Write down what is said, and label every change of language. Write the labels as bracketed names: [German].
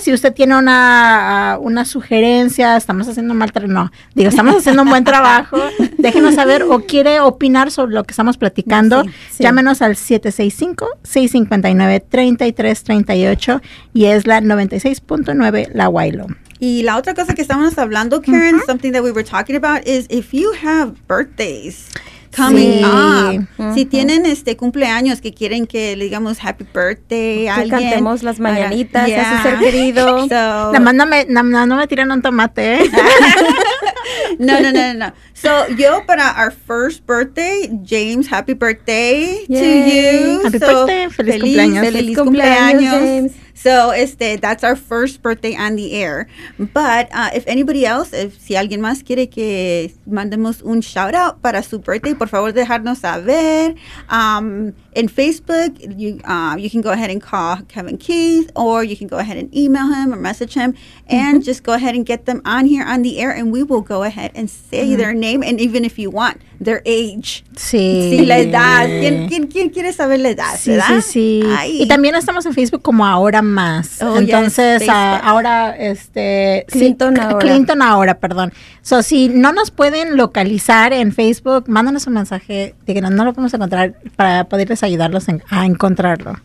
[Spanish] Si usted tiene una sugerencia, estamos haciendo un buen trabajo, déjenos saber o quiere opinar sobre lo que estamos platicando, llámenos al 765-659-3338 y es la 96.9 La Wailo. [English] Y la otra cosa que estábamos hablando, Karen, something that we were talking about is if you have birthdays coming up. [Spanish] Si tienen cumpleaños que quieren que le digamos happy birthday a alguien. Que cantemos las mañanitas a su ser querido. No me tiran un tomate. No. [English] So, [Spanish] yo para [English] our first birthday, James, happy birthday to you. Happy birthday. [Spanish] Feliz cumpleaños. Feliz cumpleaños, James. [English] So [Spanish] este, [English] that's our first birthday on the air. But if anybody else, if [Spanish] si alguien más quiere que mandemos un [English] shout out para su birthday, [Spanish] por favor dejarnos saber. [English] In Facebook, you can go ahead and call Kevin Keith, or you can go ahead and email him or message him, and mm-hmm. just go ahead and get them on here on the air, and we will go ahead and say mm-hmm. their name, and even if you want, their age. [Spanish] Sí. Sí, la edad. ¿Quién quiere saber la edad? Sí, ¿verdad? Sí, sí. Ay. Y también estamos en Facebook como Ahora Más. Oh, entonces, yes, ahora, este... Clinton sí, Ahora. Clinton Ahora, perdón. So, si no nos pueden localizar en Facebook, mándanos un mensaje, díganos, no lo podemos encontrar para poder ayudarlos a encontrarlo.